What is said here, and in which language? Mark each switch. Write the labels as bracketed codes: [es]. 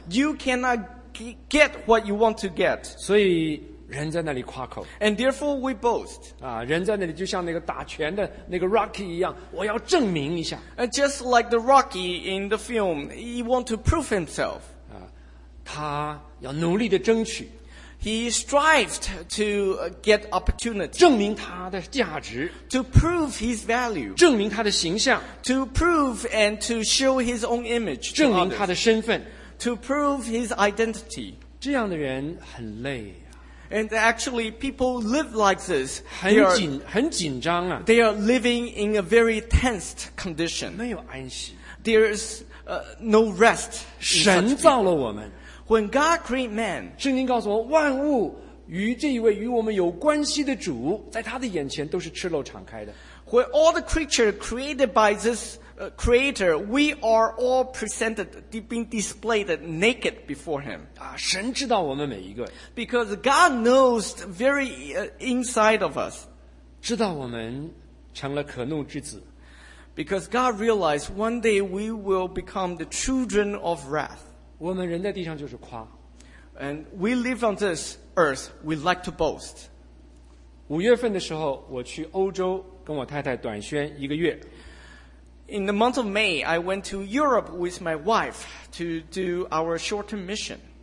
[en] You cannot get what you want to get. [zh] 所以人在那里夸口。 [en] And therefore we boast. [zh] 人在那里就像那个打拳的那个 Rocky 一样，我要证明一下。 [en] And just like the Rocky in the film, he want to prove himself. [zh] 他要努力的争取。 [en] He strived to get opportunity. [zh] 证明他的价值。 [en] To prove his value. [zh] 证明他的形象。 [en] To prove and to show his own image. [zh] 证明他的身份。 [en] To prove his identity. [zh] 这样的人很累。 [en] And actually, people live like this. [zh] 很紧张啊。 [en] They are living in a very tensed condition. [zh] 没有安息。 [en] There is no rest. [zh] 神造了我们。 [en] When God created man, [zh] 圣经告诉我万物与这一位与我们有关系的主，在他的眼前都是赤裸敞开的。 [en] When all the creatures created by this creator, we are all presented, being displayed naked before him. [zh] 神知道我们每一个。 [en] Because God knows the very inside of us. [zh] 知道我们成了可怒之子。 [en] Because God realized one day we will become the children of wrath. [zh] 我们人在地上就是夸。 [en] And we live on this earth, we like to boast. [zh] 五月份的时候，我去欧洲跟我太太短宣一个月。 [en] In the month of May, I went to Europe with my wife to do our short-term mission.